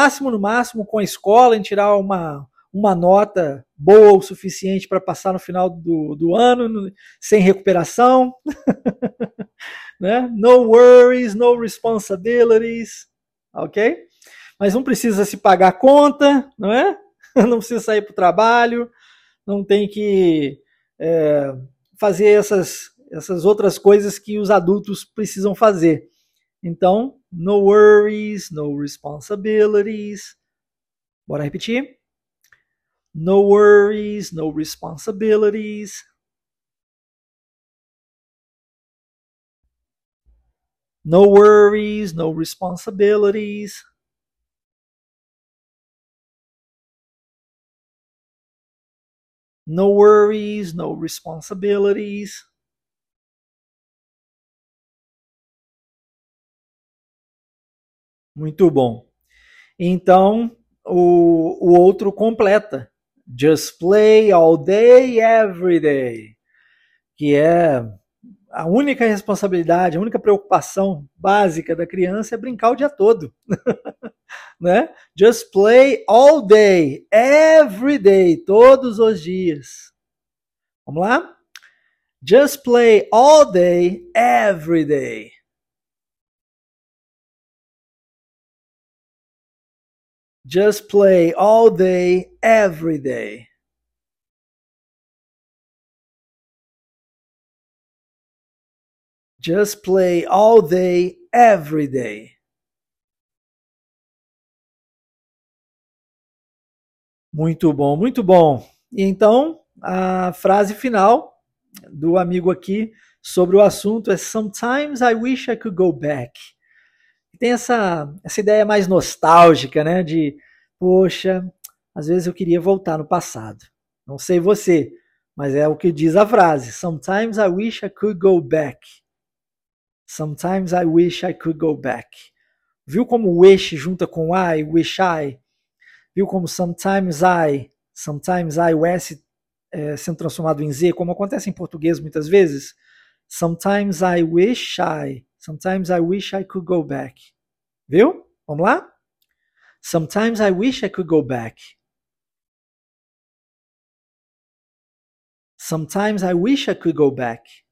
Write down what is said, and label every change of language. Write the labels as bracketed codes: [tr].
[pt] No máximo, com a escola, em tirar uma nota boa o suficiente para passar no final do ano, sem recuperação. Né? [en] No worries, no responsibilities, ok? [pt] Mas não precisa se pagar conta, não é? Não precisa sair para o trabalho, não tem que fazer essas outras coisas que os adultos precisam fazer. Então, [en] no worries, no responsibilities. [pt] Bora repetir? [en] No worries, no responsibilities. No worries, no responsibilities. No worries, no responsibilities. [pt] Muito bom. Então, o outro completa. [en] Just play all day, every day. [pt] Que é a única responsabilidade, a única preocupação básica da criança é brincar o dia todo. Né? [en] Just play all day, every day, [pt] todos os dias. Vamos lá? [en] Just play all day, every day. Just play all day, every day. Just play all day, every day. [pt] Muito bom. E então, a frase final do amigo aqui sobre o assunto é [en] Sometimes I wish I could go back. [pt] Tem essa ideia mais nostálgica, né? De, poxa, às vezes eu queria voltar no passado. Não sei você, mas é o que diz a frase. [en] Sometimes I wish I could go back. Sometimes I wish I could go back. [pt] Viu como wish junta com I, [en] wish I? [pt] Viu como [en] sometimes I, [pt] o S sendo transformado em Z, como acontece em português muitas vezes? [en] Sometimes I wish I, sometimes I wish I could go back. [pt] Viu? Vamos lá? [en] Sometimes I wish I could go back. Sometimes I wish I could go back.